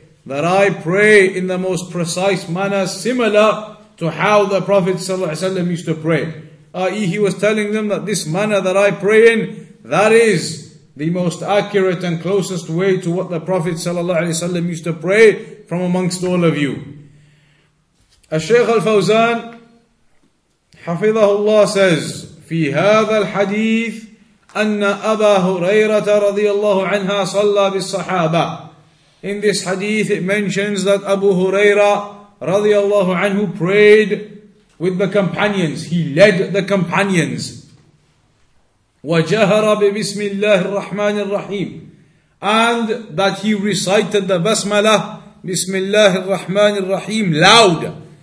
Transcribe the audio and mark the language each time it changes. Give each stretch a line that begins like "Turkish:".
English: That I pray in the most precise manner, similar to how the Prophet ﷺ used to pray. I.e. he was telling them that this manner that I pray in, that is the most accurate and closest way to what the Prophet ﷺ used to pray from amongst all of you. Al-Shaykh Al-Fawzan, Hafidhahullah, says,
Arabic: في هذا الحديث أن أبا هريرة رضي الله عنها صلى بالصحابة.
English: In this hadith it mentions that Abu Huraira رضي الله عنه prayed with the companions. He led the companions.
Arabic: وجهر ببسم الله الرحمن الرحيم,
English: and that he recited the basmala,
Arabic: بسم الله الرحمن الرحيم,
English: loud.